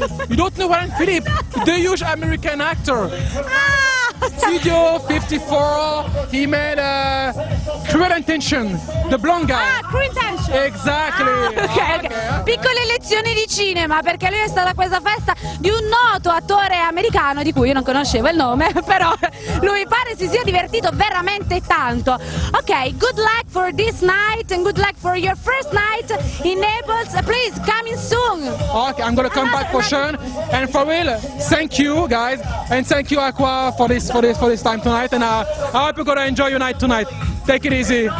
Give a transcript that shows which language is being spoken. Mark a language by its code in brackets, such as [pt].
[en] You don't know Ryan Philipp? The huge American actor. Studio 54, he made Cruel Intention, the blonde guy. Ah, Cruel Intention. Exactly. Okay. [it] Piccole lezioni di cinema, perché lui è stato a questa festa di un noto attore americano di cui io non conoscevo il nome, però lui pare si sia divertito veramente tanto. [en] Ok, good luck for this night and good luck for your first night in Naples. Please, coming soon. Ok, I'm gonna come back for sure. And for real, thank you guys and thank you Aqua for this time tonight and I hope you're gonna enjoy your night tonight. Take it easy.